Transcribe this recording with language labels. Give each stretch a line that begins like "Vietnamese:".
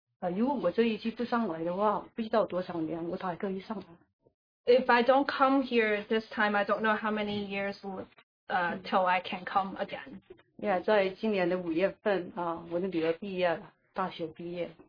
Chinese: 如果我这一期不上来的话，不知道多少年我才可以上来。
English: If I don't come here this time, I don't know how many years till I can come again.
Chinese: Yeah, 在今年的五月份啊，我的女儿毕业了，大学毕业。